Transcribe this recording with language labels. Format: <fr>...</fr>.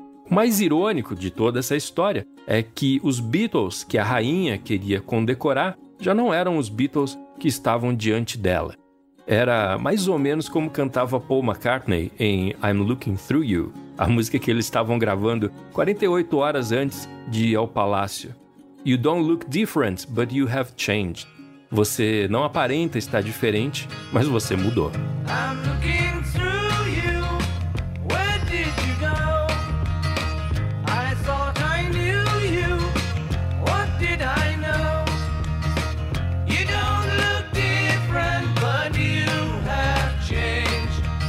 <pt>O mais irônico de toda essa história é que os Beatles que a rainha queria condecorar já não eram os Beatles que estavam diante dela. Era mais ou menos como cantava Paul McCartney em I'm Looking Through You, a música que eles estavam gravando 48 horas antes de ir ao palácio.</pt> <en>You don't look different, but you have changed.</en> <pt>Você não aparenta estar diferente, mas você mudou.</pt> <en>I'm looking through you, where did you go? I thought I knew you, what did I know? You don't look different, but you have changed.</en>